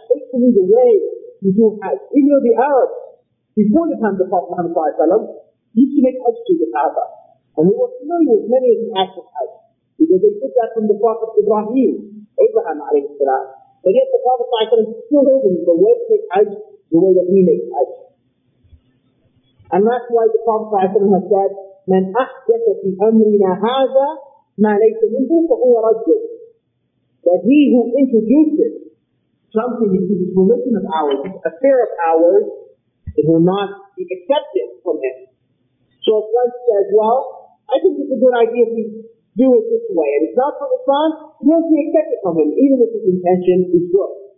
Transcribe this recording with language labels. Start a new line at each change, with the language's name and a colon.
English: Take from me the way you do Hajj. Even though the Arabs, before the time of the Prophet Muhammad sallallahu alayhi wa sallam, used to make Hajj to the Kaaba. And we were familiar with many of the acts of Hajj. Because they took that from the Prophet Ibrahim, Abraham alayhi wa sallam. But yet the Prophet sallallahu alayhi wa sallam still told him the way to make Hajj, the way that he makes Hajj. And that's why the Prophet ﷺ has said,
Arabic: مَنْ أَحْدَثَ فِي أَمْرِنَا هَذَا مَا لَيْسَ مِنْهُ فَهُوَ رَجُلٌ.
English: That he who introduces something into this religion of ours, this affair of ours, it will not be accepted from him. So if one says, well, I think it's a good idea if we do it this way, and it's not from Islam, it won't be accepted from him, even if his intention is good.